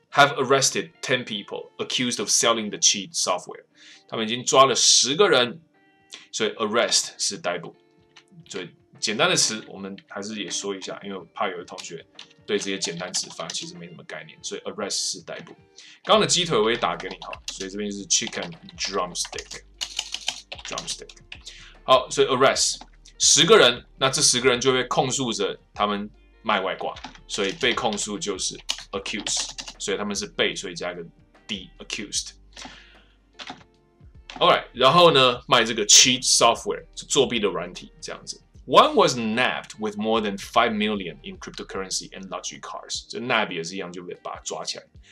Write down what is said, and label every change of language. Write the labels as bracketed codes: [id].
[en] Have arrested 10 people accused of selling the cheat software. [zh] 他们已经抓了十个人，所以 arrest 是逮捕。所以简单的词，我们还是也说一下，因为怕有的同学对这些简单词反而其实没什么概念，所以 arrest 是逮捕。刚刚的鸡腿我也打给你哈，所以这边就是 chicken drumstick。好，所以 arrest 十个人，那这十个人就会控诉着他们卖外挂，所以被控诉就是 accuse。所以他们是被，所以加一个 d accused。 All right， 然后呢，卖这个 cheat software， 是作弊的软体，这样子。 [en] One was nabbed with more than 5 million in cryptocurrency and luxury cars。 [zh] 这 nab 也是一样，就被把他抓起来。